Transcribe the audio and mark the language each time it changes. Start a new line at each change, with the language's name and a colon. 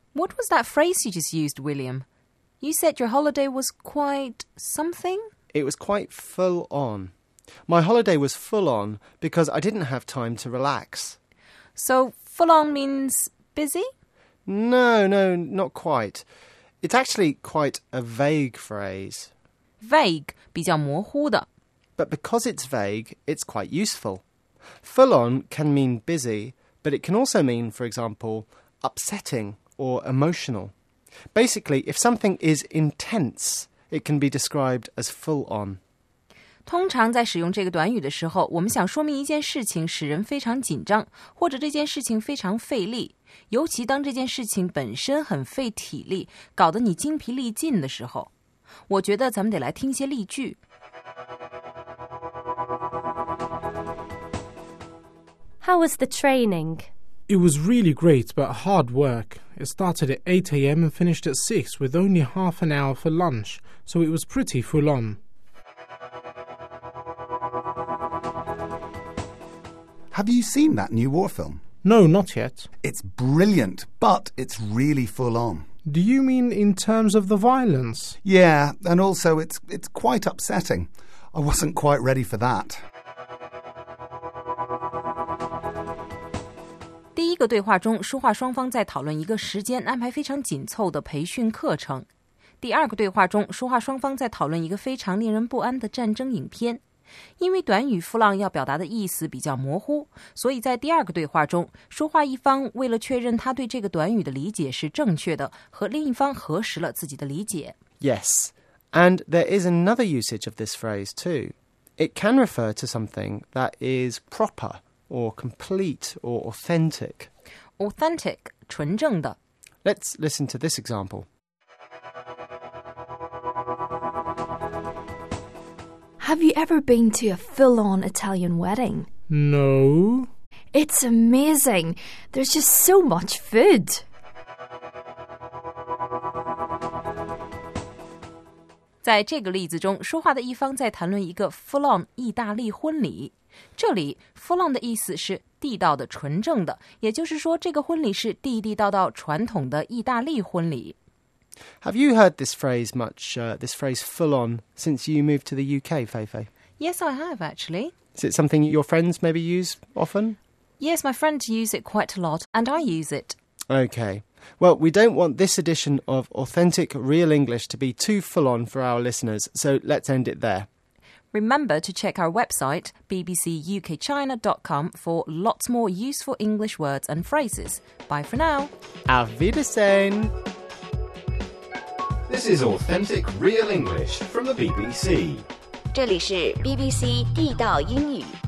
English: What was that phrase you just used, William? You said your holiday was quite something? It was quite full on. My holiday was full on because I didn't have time to relax. So... Full on means busy? No, not quite. It's actually quite a vague phrase.
Chinese: Vague, 比较模糊的。
English: But because it's vague, it's quite useful. Full on can mean busy, but it can also mean, for example, upsetting or emotional. Basically, if something is intense, it can be described as full on.
Chinese: 通常在使用这个短语的时候，我们想说明一件事情使人非常紧张，或者这件事情非常费力，尤其当这件事情本身很费体力，搞得你精疲力尽的时候。我觉得咱们得来听一些例句。
English: How was the training? It was really great, but hard work. It started at 8 a.m. and finished at 6 with only half an hour for lunch, so it was pretty full on. Have you seen that new war film? No, not yet. It's brilliant, but it's really full on. Do you mean in terms of the violence? Yeah, and also it's quite upsetting. I wasn't quite ready for that.
Chinese: 第一个对话中，说话双方在讨论一个时间安排非常紧凑的培训课程。第二个对话中，说话双方在讨论一个非常令人不安的战争影片。因为短语 full on 要表达的意思比较模糊，所以在第二个对话中，说话一方为了确认他对这个短语的理解是正确的，和另一方核实了自己的理解。
English: Yes, and there is another usage of this phrase too. It can refer to something that is proper or complete or authentic.
Chinese: Authentic, 纯正的。
English: Let's listen to this example. Have you ever been to a full-on Italian wedding? No. It's amazing. There's just so much food.
Chinese: 在这个例子中，说话的一方在谈论一个 full-on 意大利婚礼。这里 full-on 的意思是地道的、纯正的，也就是说这个婚礼是地地道道、传统的意大利婚礼。
English: Have you heard this phrase much, this phrase full on, since you moved to the UK, Feifei? Yes, I have, actually. Is it something your friends maybe use often? Yes, my friends use it quite a lot, and I use it. Okay. Well, we don't want this edition of Authentic Real English to be too full on for our listeners, so let's end it there. Remember to check our website, bbcukchina.com, for lots more useful English words and phrases. Bye for now.
German: Auf Wiedersehen.
English: This is Authentic Real English from the BBC.
Chinese: 这里是 BBC 地道英语。